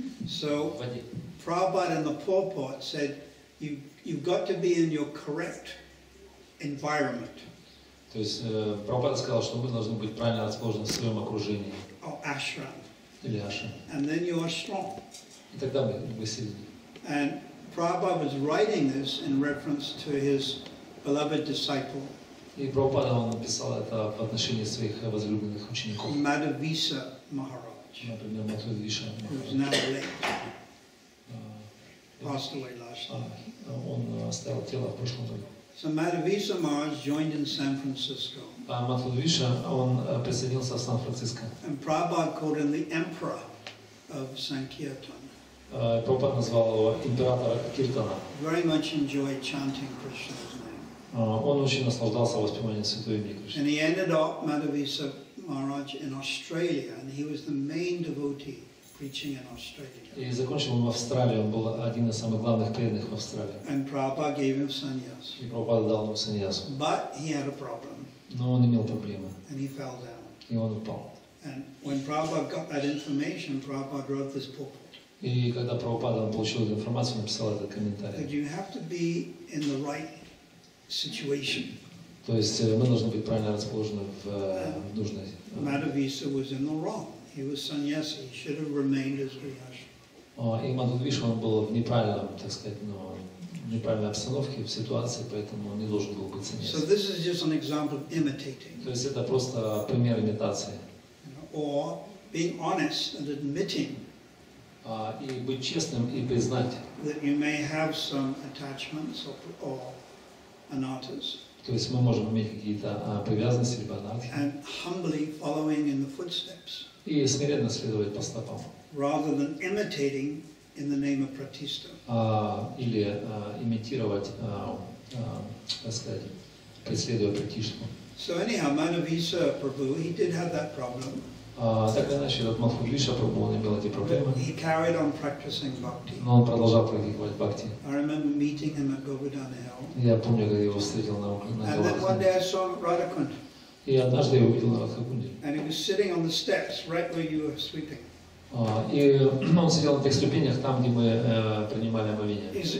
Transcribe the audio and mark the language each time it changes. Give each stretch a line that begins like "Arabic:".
English: So, Prabhupada and the Purport said, you've got to be in your correct environment.
Russian: То есть Прабхупада сказал, что мы должны быть правильно расположены в своем окружении.
English: Or ashram.
Russian: Или ашрам.
English: And then you are strong.
Russian: И тогда мы сильны.
English: And Prabhupada was writing this in reference to his beloved disciple.
Russian: И Прабхупада он написал это по отношению своих возлюбленных учеников.
English: Мадхвиса Махарадж.
Russian: Например, Мадхвиса Махарадж.
English: Who's now late. Passed away last year.
Russian: Он оставил тело в прошлом году.
English: So Madhavisa Maharaj joined in San Francisco.
Russian: Madhavisa, он присоединился в Сан-Франциско.
English: And Prabhupada called him the Emperor of Sankirtan.
Russian: Прабхупада назвал его императора Киртана.
English: Very much enjoyed chanting Krishna's name.
Russian: Он очень наслаждался воспеванием святого имени Кришны.
English: And he ended up Madhavisa Maharaj in Australia, and he was the main devotee preaching in Australia.
Russian: И закончил он в Австралии, он был один из самых главных преданных в Австралии.
English: And Prabhupada gave him sannyas.
Russian: И Прабхупада дал ему сannyas.
English: But he had a problem.
Russian: Но он имел проблемы.
English: And he fell down.
Russian: И он упал.
English: And when Prabhupada got that information, Prabhupada wrote this book.
Russian: И когда Прабхупада получил эту информацию, он написал этот комментарий.
English: That you have to be in the right situation.
Russian: То есть мы должны быть правильно расположены в нужной.
English: Madhavisa was in the wrong. He was sannyasi. He should have remained as Grihastha.
Russian: И Мадхвиша, он был в неправильном, так сказать, но неправильной обстановке, в ситуации, поэтому он не должен был быть сannyasi.
English: So this is just an example of imitating.
Russian: То есть это просто пример имитации.
English: Or being honest and admitting.
Russian: И быть честным и признать.
English: That you may have some attachments or anattas.
Russian: То есть мы можем иметь какие-то привязанности либо анатты.
English: And humbly following in the footsteps.
Russian: И смиренно следовать по стопам.
English: Rather than imitating in the name of pratistha.
Russian: Или имитировать, так сказать, преследуя пратишну.
English: So anyhow, Madhavisa Prabhu, he did have that problem.
Russian: Так иначе, этот Мадхвиша Прабху, он имел эти проблемы.
English: But he carried on practicing bhakti.
Russian: Но он продолжал практиковать бхакти.
English: I remember meeting him at Govardhan Hill.
Russian: Я помню, когда его встретил на Говардхане.
English: And then one day I saw him at Radhakund.
Russian: И однажды я увидел на Радхакунде.
English: And he was sitting on the steps right where you were sweeping.
Russian: И он сидел на тех ступенях, там, где мы принимали омовение.